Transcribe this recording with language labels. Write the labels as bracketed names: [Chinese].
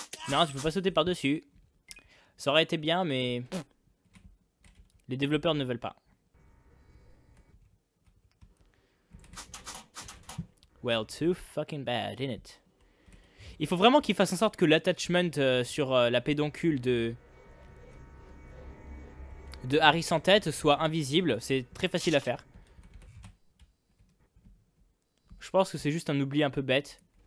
[French] Non, tu peux pas sauter par-dessus. Ça aurait été bien, mais... Les développeurs ne veulent pas. [English] Well, too fucking bad, isn't it? [French] Il faut vraiment qu'ils fassent en sorte que l'attachment sur la pédoncule de... Harry sans tête soit invisible. C'est très facile à faire. Je pense que c'est juste un oubli un peu bête.